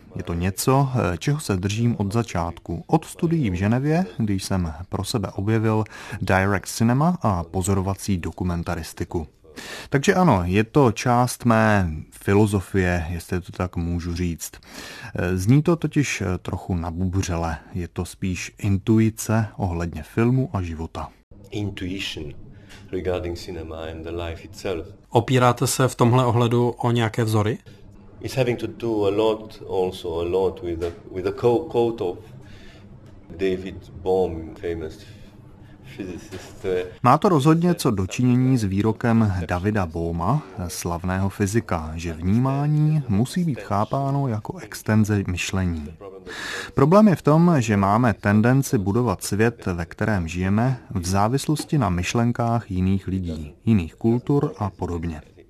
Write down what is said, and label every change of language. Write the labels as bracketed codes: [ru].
[cs] Je to něco, čeho se držím od začátku. Od studií v Ženevě, když jsem pro sebe objevil direct cinema a pozorovací dokumentaristiku. Takže ano, je to část mé filozofie, jestli to tak můžu říct. Zní to totiž trochu nabubřele. Je to spíš intuice ohledně filmu a života. [en] Intuition. Regarding cinema and the life itself. [cs] Opíráte se v tomhle ohledu o nějaké vzory? [en] It's having to do a lot with the quote of David Bohm, famous physicist. [cs] Má to rozhodně co dočinění s výrokem Davida Bohma, slavného fyzika, že vnímání musí být chápáno jako extenze myšlení. Problém je v tom, že máme tendenci budovat svět, ve kterém žijeme, v závislosti na myšlenkách jiných lidí, jiných kultur a podobně.